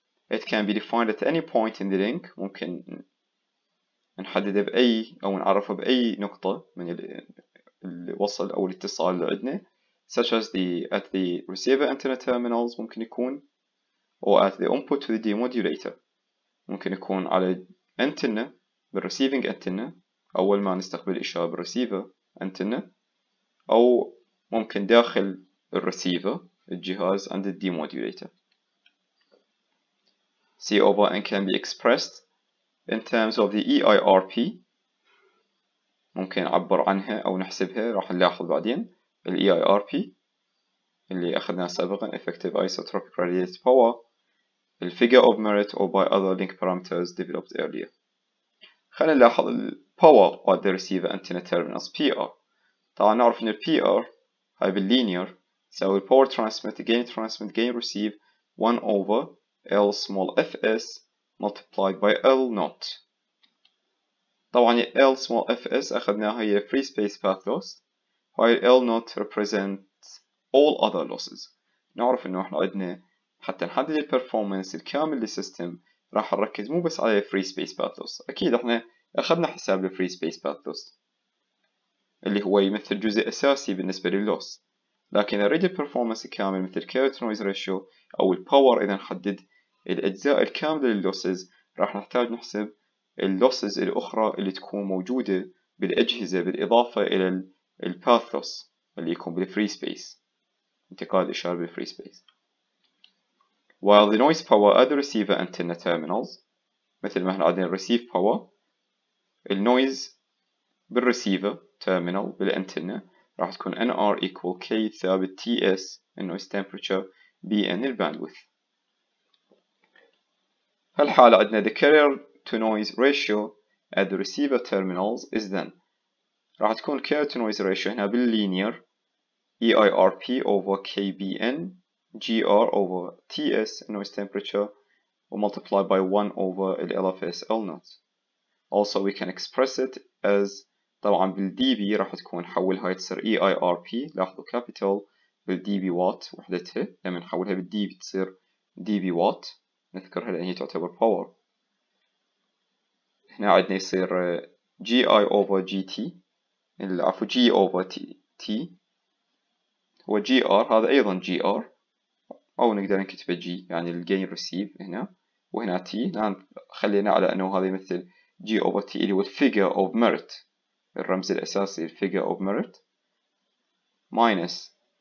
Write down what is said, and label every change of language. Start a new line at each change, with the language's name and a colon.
English: It can be defined at any point in the link،
Arabic: ممكن نحدده بأي أو نعرفه بأي نقطة من الوصل أو الاتصال اللي عندنا،
English: such as the at the receiver antenna terminals
Arabic: ممكن يكون،
English: or at the input to the demodulator
Arabic: ممكن يكون على أنتنة بالreceiving أنتنة أول ما نستقبل إشارة بالرسيفر أنتنة، أو ممكن داخل الرسيفر الجهاز عند الديموديوليتر.
English: C over N can be expressed in terms of the EIRP
Arabic: ممكن نعبر عنها أو نحسبها، راح نلاحظ بعدين الـ EIRP اللي أخذناها سابقا
English: Effective Isotropic Radiated Power الـ Figure of Merit or by other link parameters developed earlier.
Arabic: خلينا نلاحظ الـ power at the receiver antenna terminals PR. طبعا نعرف ان الـ PR هاي باللينير يساوي الـ power transmit gain receive 1 over L small fs multiplied by L naught.
English: طبعا L small fs
Arabic: اخذناها هي
English: free space path loss، while L naught represents all other losses.
Arabic: نعرف انه احنا عندنا حتى نحدد الـ performance الكامل للسيستم راح نركز مو بس على free space path loss، اكيد احنا أخذنا حساب الفري سبيس باث لوس اللي هو يمثل جزء أساسي بالنسبة لللوس، لكن أريد البرفورمانس الكامل مثل كارت نويز ريشيو أو الباور إذا نحدد الأجزاء الكاملة لللوسز راح نحتاج نحسب اللوسز الأخرى اللي تكون موجودة بالأجهزة بالإضافة إلى الباث لوس اللي يكون بالفري سبيس انتقال الإشارة بالفري سبيس.
English: While the noise power at the receiver antenna terminals
Arabic: مثل ما احنا عندنا الريسيف باور النويز بالرسيفر تيرمينال بالأنتنة راح تكون NR equal K ثابت TS النويز temperature BN الباندوث. هالحالة عندنا
English: the carrier to noise ratio at the receiver terminals is then
Arabic: راح تكون
English: carrier to noise ratio هنا باللينير EIRP over KBN GR over TS النويز temperature و multiply by 1 over LFS L naught. Also we can express it as
Arabic: طبعا بالDB راح تكون حولها تصير EIRP لاحظوا capital بالDB watt وحدتها، لما نحولها بالDB تصير DB watt نذكرها لأن هي تعتبر power. هنا عندنا يصير جي اي اوفر جي تي، العفو جي اوفر تي هو جي ار، هذا ايضا جي ار، او نقدر نكتبه جي يعني الجين ريسيف هنا، وهنا تي خلينا على انه هذا مثل جي اوفر تي اللي هو الفيجر اوف ميريت، الرمز الاساسي الفيجر اوف ميريت، ماينس